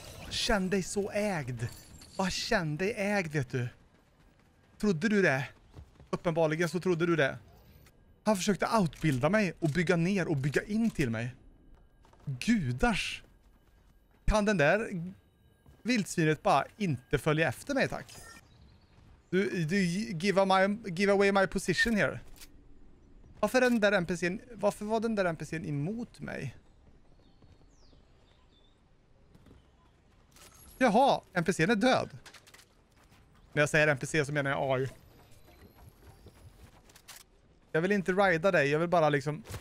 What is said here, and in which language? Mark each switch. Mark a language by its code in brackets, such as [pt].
[sv] Känn dig så ägd. Bara känn dig ägd, vet du. Trodde du det? Uppenbarligen så trodde du det. Han försökte outbilda mig och bygga ner och bygga in till mig. Gudars. Kan den där vildsvinet bara inte följa efter mig, tack? [en] Du give away my position here. [sv] Varför var den där NPC:n emot mig? Jaha, NPC:n är död. När jag säger NPC så menar jag AI. Jag vill inte rida dig, jag vill bara liksom...